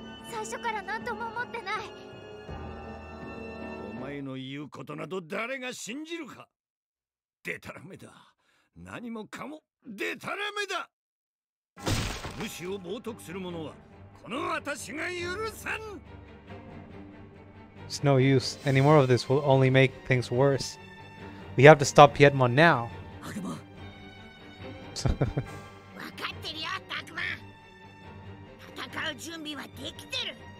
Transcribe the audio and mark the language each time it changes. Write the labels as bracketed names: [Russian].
[Japanese] 最初から何とも思ってない。お前の言うことなど誰が信じるか。デタラメだ。何もかもデタラメだ。主を冒涜する者はこの私が許さん。 [English] It's no use. Any more of this will only make things worse. We have to stop Piedmon now. Akuma. [Japanese] わかってるよ、タクマ。戦う準備はできてる。